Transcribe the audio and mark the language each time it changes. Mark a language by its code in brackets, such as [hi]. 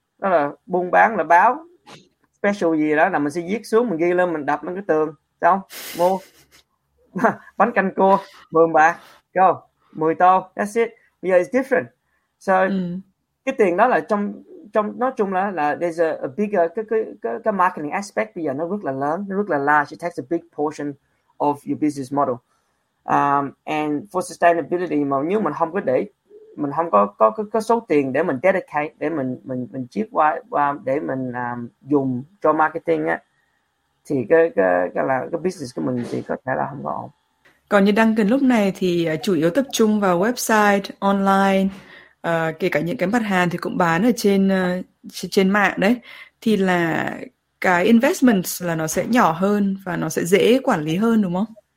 [vi] Đó là buôn bán là báo special gì đó là mình sẽ viết xuống, mình ghi lên, mình đập lên cái tường. Xong, mua bánh canh cua, mượn bạc, go, 10 tô, [en] that's it. [vi] Bây giờ [en] it's different. [vi] So, cái tiền đó là trong nói chung là [en] there's a bigger, [vi] cái marketing aspect bây giờ nó rất là lớn, nó rất là large. [en] It takes a big portion of your business model. And for sustainability, [vi] mà nếu mình không có để mình không có số tiền để mình dedicate, để mình chip qua để mình dùng cho marketing á, thì cái business của mình thì có thể là không có ổn. Còn như Duncan lúc này thì chủ yếu tập trung vào website online, kể cả những cái mặt hàng thì cũng bán ở trên mạng đấy, thì là cái investment là nó sẽ nhỏ hơn và nó sẽ dễ quản lý hơn đúng không?